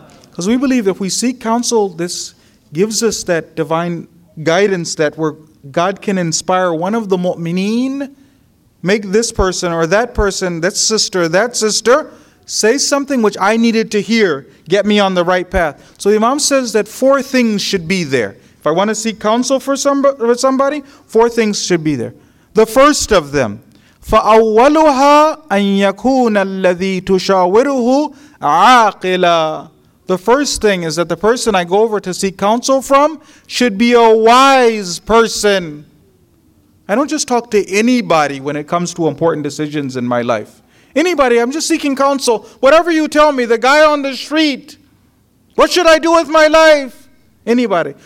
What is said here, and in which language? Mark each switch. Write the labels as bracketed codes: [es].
[en] Because we believe if we seek counsel, this gives us that divine guidance that where God can inspire one of the mu'mineen. Make this person, that sister, say something which I needed to hear. Get me on the right path. So the Imam says that four things should be there. If I want to seek counsel for somebody, four things should be there. The first of them, [ar] فَأَوَّلُهَا أَن يَكُونَ الَّذِي تُشَاوِرُهُ عَاقِلًا. [en] The first thing is that the person I go over to seek counsel from should be a wise person. I don't just talk to anybody when it comes to important decisions in my life. Anybody, I'm just seeking counsel. Whatever you tell me, the guy on the street, what should I do with my life? Anybody.